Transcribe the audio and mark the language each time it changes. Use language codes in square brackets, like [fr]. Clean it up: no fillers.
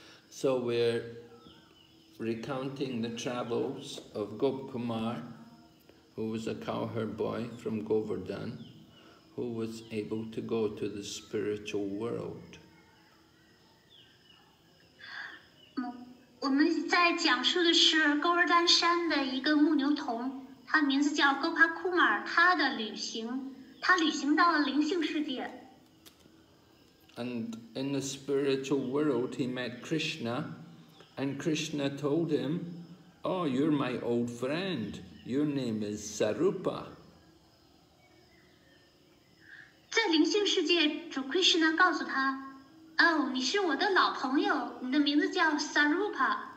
[en] So we're recounting the travels of Gop Kumar, who was a cowherd boy from Govardhan, who was able to go to the spiritual world. [zh] 我们在讲述的是高尔丹山的一个牧牛童，他的名字叫戈帕库马尔，他的旅行，他旅行到了灵性世界。And [en] in the spiritual world, he met Krishna, and Krishna told him, "Oh, you're my old friend. Your name is Sarupa." [zh] 在灵性世界，主 Krishna 告诉他。Oh, 你是我的老朋友, 你的名字叫 Sarupa.